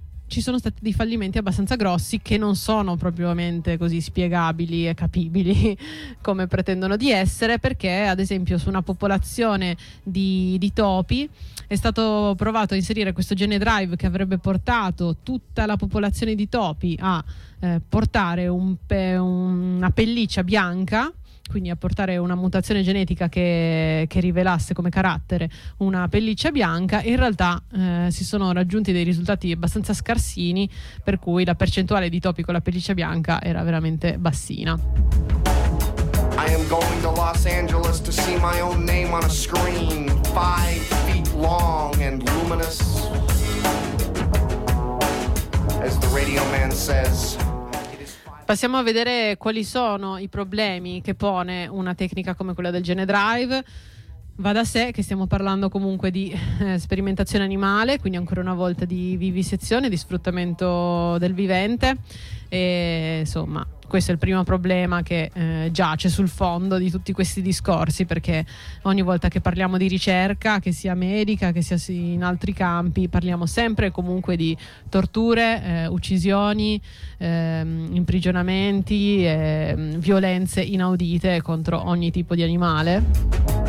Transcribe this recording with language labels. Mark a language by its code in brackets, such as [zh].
[it] ci sono stati dei fallimenti abbastanza grossi che non sono propriamente così spiegabili e capibili come pretendono di essere, perché ad esempio su una popolazione di topi è stato provato a inserire questo gene drive che avrebbe portato tutta la popolazione di topi a portare una pelliccia bianca, quindi a portare una mutazione genetica che rivelasse come carattere una pelliccia bianca. In realtà si sono raggiunti dei risultati abbastanza scarsini, per cui la percentuale di topi con la pelliccia bianca era veramente bassina. [en] I am going to Los Angeles to see my own name on a screen 5 feet long and luminous, as the radio man says. [it] Passiamo a vedere quali sono i problemi che pone una tecnica come quella del gene drive. Va da sé che stiamo parlando comunque di sperimentazione animale, quindi ancora una volta di vivisezione, di sfruttamento del vivente, e insomma questo è il primo problema che giace sul fondo di tutti questi discorsi, perché ogni volta che parliamo di ricerca, che sia medica, che sia in altri campi, parliamo sempre comunque di torture, uccisioni, imprigionamenti, violenze inaudite contro ogni tipo di animale.